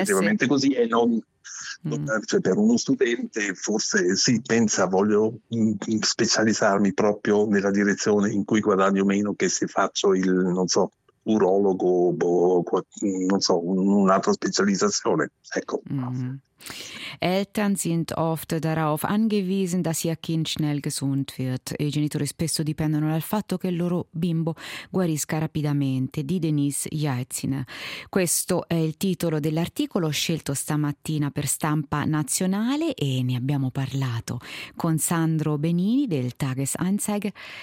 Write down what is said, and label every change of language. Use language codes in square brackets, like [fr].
[it] effettivamente così e non. Cioè, per uno studente forse si sì, pensa voglio specializzarmi proprio nella direzione in cui guadagno meno che se faccio il, non so, urologo o non so, un'altra specializzazione. Ecco. [de] Eltern sind oft darauf angewiesen, dass ihr Kind schnell gesund wird. [it] I genitori spesso dipendono dal fatto che il loro bimbo guarisca rapidamente. Di Denise Jaitzin. Questo è il titolo dell'articolo scelto stamattina per Stampa Nazionale e ne abbiamo parlato con Sandro Benini del Tages-Anzeiger.